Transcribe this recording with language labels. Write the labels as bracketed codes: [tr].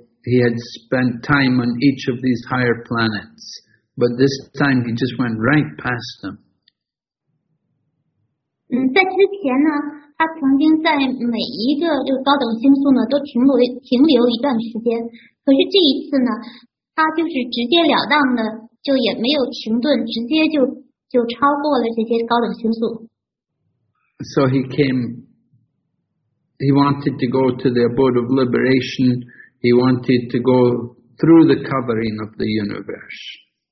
[en] he had spent time on each of these higher planets, but this time he just went right past them. [zh] 在之前呢，他曾经在每一个就高等星宿呢都停留一段时间，可是这一次呢。他就是直截了当的，就也没有停顿，直接就超过了这些高等星宿。So [en] he came. He wanted to go to the abode of liberation. He wanted to go through the covering of the universe.